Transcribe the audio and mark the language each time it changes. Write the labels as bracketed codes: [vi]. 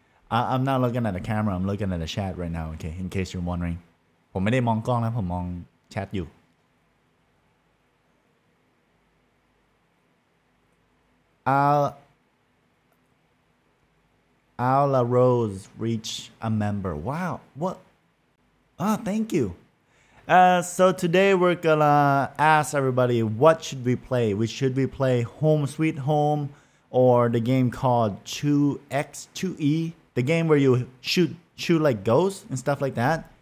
[en] I'm not looking at the camera, I'm looking at the chat right now, okay, in case you're wondering. [th] ผมไม่ได้มองกล้องนะผมมองแชทอยู่ [en] Aula Rose reach a member. Wow, what? Ah, thank you. So today we're gonna ask everybody what should we play. We should we play Home Sweet Home or the game called 2X2E, the game where you shoot like ghosts and stuff like that.